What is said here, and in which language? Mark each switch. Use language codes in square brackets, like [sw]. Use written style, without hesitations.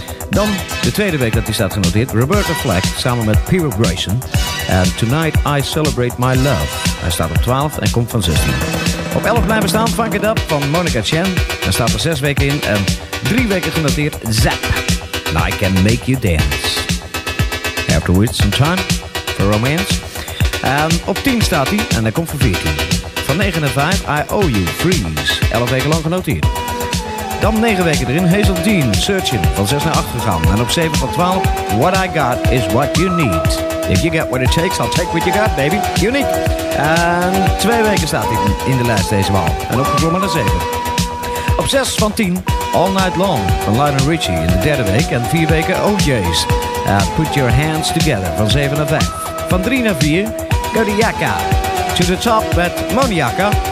[nl] Dan de tweede week dat hij staat genoteerd. Roberta Flack samen met Peter Grayson. And Tonight I Celebrate My Love. Hij staat op 12 en komt van 16. Op 11 blijven staan, Funk It Up van Monica Chen. Hij staat er 6 weken in en 3 weken genoteerd, Zap. [en] And I Can Make You Dance. Afterwards, Some Time for Romance. [nl] En op 10 staat hij en hij komt voor 14. Van 9 naar 5, I Owe You, Freeze. 11 weken lang genoteerd. Dan 9 weken erin, Hazel Dean, Searching. Van 6 naar 8 gegaan. En op 7 van 12, What I Got Is What You Need. [en] If you get what it takes, I'll take what you got, baby. Unique. [nl] En 2 weken staat hij in de lijst deze maal. En opgeklommen naar 7. Op 6 van 10, All Night Long van Lionel Richie in de derde week. En 4 weken, OJ's. Put Your Hands Together van 7 naar 5. Van 3 naar 4, Go to Yaka. To the Top met Moniaka.